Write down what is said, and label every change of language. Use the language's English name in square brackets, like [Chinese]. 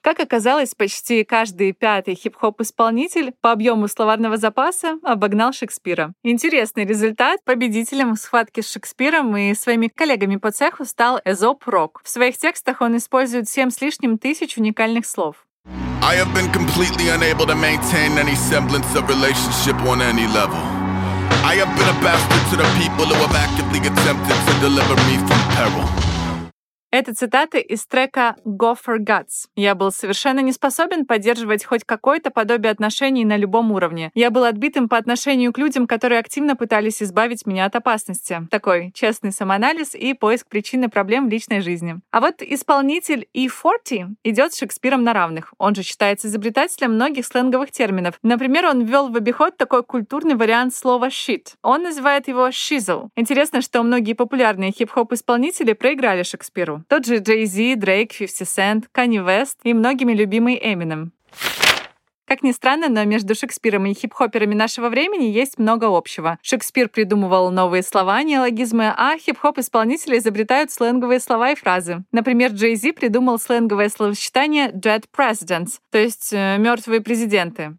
[Russian] Как оказалось, почти каждый пятый хип-хоп-исполнитель по объему словарного запаса обогнал Шекспира. Интересный результат. Победителем в схватке с Шекспиром и своими коллегами по цеху стал Эзоп Рок. В своих текстах он использует 7 с лишним тысяч уникальных слов. [English] I have been completely unable to maintain any semblance of relationship on any level. I have been a bastard to the people who have actively attempted to deliver me from peril. [Russian] Это цитаты из трека «Go for Guts». «Я был совершенно не способен поддерживать хоть какое-то подобие отношений на любом уровне. Я был отбитым по отношению к людям, которые активно пытались избавить меня от опасности». Такой честный самоанализ и поиск причины проблем в личной жизни. А вот исполнитель E40 идет с Шекспиром на равных. Он же считается изобретателем многих сленговых терминов. Например, он ввел в обиход такой культурный вариант слова «shit». Он называет его «shizzle». Интересно, что многие популярные хип-хоп-исполнители проиграли Шекспиру. Тот же Jay-Z, Drake, 50 Cent, Kanye West и многими любимый Eminem. Как ни странно, но между Шекспиром и хип-хоперами нашего времени есть много общего. Шекспир придумывал новые слова, неологизмы, а хип-хоп-исполнители изобретают сленговые слова и фразы. Например, Jay-Z придумал сленговое словосочетание «dead presidents», то есть «мертвые президенты».